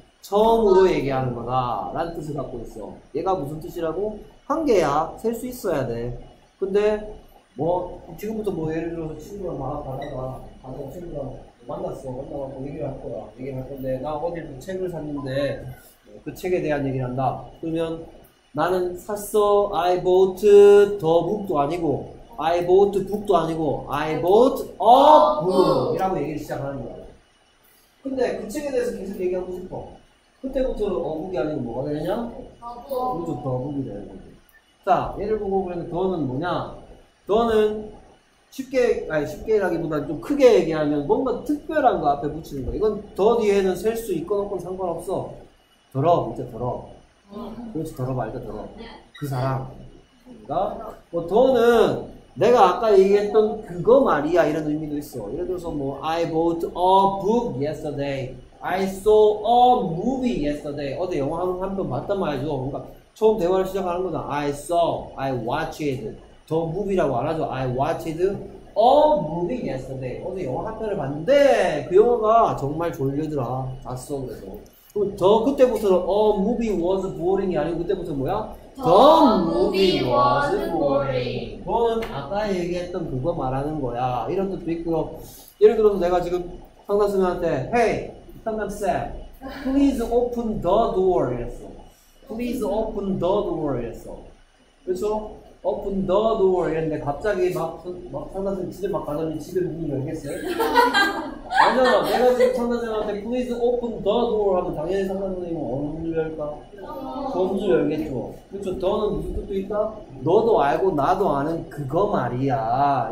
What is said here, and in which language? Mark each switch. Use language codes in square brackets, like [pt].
[ko] 처음으로 얘기하는 거다 라는 뜻을 갖고 있어. 얘가 무슨 뜻이라고? 한 개야. 셀 수 있어야 돼. 근데 뭐 지금부터 뭐 예를 들어서 친구랑 막 가다가 친구랑 만났어. 만나서 얘기를 할 거야. 얘기를 할 건데 나 어디서 책을 샀는데 그 책에 대한 얘기를 한다. 그러면 나는 샀어. [en] I bought the book도 아니고 I bought book도 아니고 I bought a book [ko] 이라고 얘기를 시작하는 거야. 근데 그 책에 대해서 계속 얘기하고 싶어. 그때부터 어북이 아니고 뭐가 되냐? 어북. 그죠, 어북이 되는 거지. 자, 예를 보고 그러면 더는 뭐냐? 더는 쉽게라기보다 좀 크게 얘기하면 뭔가 특별한 거 앞에 붙이는 거. 이건 더 뒤에는 셀 수 있건 없건 상관없어. 더러, 이제 더러. 그렇지, 더러 말자, 더러. 그 사람. 그러니까 뭐 더는 내가 아까 얘기했던 그거 말이야 이런 의미도 있어. [en] 예를 들어서 뭐 I bought a book yesterday. I saw a movie yesterday. [ko] 어제 영화 한편 봤단 말이죠. 그러니까 처음 대화를 시작하는 거는 [en] I saw, I watched the movie [ko] 라고 안 하죠. [en] I watched a movie yesterday. [ko] 어제 영화 한 편을 봤는데 그 영화가 정말 졸리더라. 봤어. 그래서 더 그때부터는 [en] a movie was boring [ko] 이 아니고 그때부터 뭐야? [en] The movie was boring. [ko] 그건 아까 얘기했던 그거 말하는 거야. 이런 뜻도 있고요. [en] 예를 들어서 내가 지금 상담선생님한테 Hey, 상담쌤, please open the door [ko] 이랬어. [en] Please open the door [ko] 이랬어. 그래서 [en] open the door [ko] 이랬는데 갑자기 막 상담쌤 집에 막 가더니 집에 문을 열겠어요? 아니잖아. 내가 지금 상담쌤한테 [en] please open the door [ko] 하면 당연히 상담쌤은 어느 문을 열까? 저 문을 열겠죠. 그렇죠. 더는 무슨 뜻도 있다? 너도 알고 나도 아는 그거 말이야.